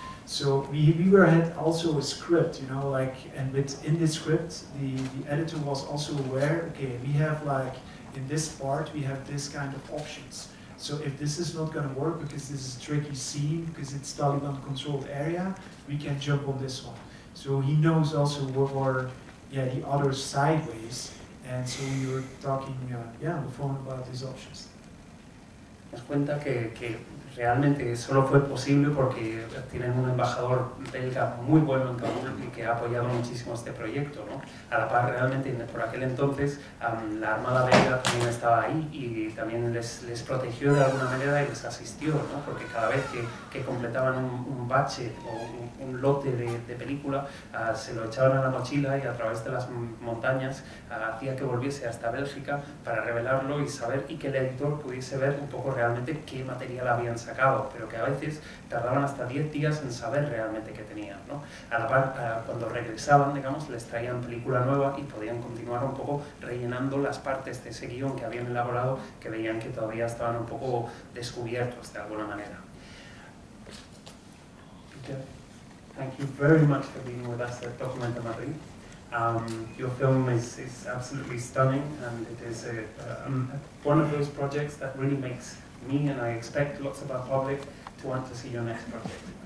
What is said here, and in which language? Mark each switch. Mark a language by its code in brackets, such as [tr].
[en] So we had also a script, you know, like, and within the script, the editor was also aware, okay, we have like, in this part, we have this kind of options. So if this is not going to work because this is a tricky scene, because it's Taliban controlled area, we can jump on this one. So he knows also what were, yeah, the other sideways. And so we were talking, on the phone about these options. [es] Nos cuenta que realmente solo fue posible porque tienen un embajador belga muy bueno en Kabul y que ha apoyado muchísimo este proyecto, ¿no? A la par, realmente, por aquel entonces, la Armada belga también estaba ahí y también les protegió de alguna manera y les asistió, ¿no? Porque cada vez que completaban un bache o un lote de película, se lo echaban a la mochila y a través de las montañas hacía que volviese hasta Bélgica para revelarlo y saber, y que el editor pudiese ver un poco realmente qué material había sacado, pero que a veces tardaban hasta 10 días en saber realmente qué tenían, ¿no? A la par, cuando regresaban, digamos, les traían película nueva y podían continuar un poco rellenando las partes de ese guión que habían elaborado, que veían que todavía estaban un poco descubiertos de alguna manera. [en] Thank you very much for being with us at Documentamadrid. Your film is absolutely stunning, and it is one of those projects that really makes me, and I expect lots of our public to want to see your next project.